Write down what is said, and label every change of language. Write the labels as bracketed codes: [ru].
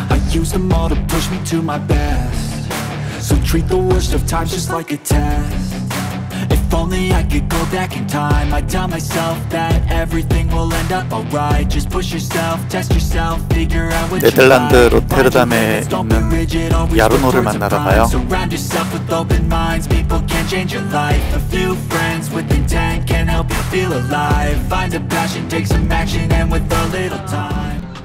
[en] Use them all to push me to my best. So treat the worst of times just like a test. If only I could go back in time, I'd tell myself that everything will end up alright. Just push yourself, test yourself, figure out what you like. [ko] 네덜란드 로테르담에 있는 야르노를 만나러 가요. [en] Surround yourself with open minds, people can change your life. A few friends with intent can help you feel alive. Find a passion, take some action, and with a little time.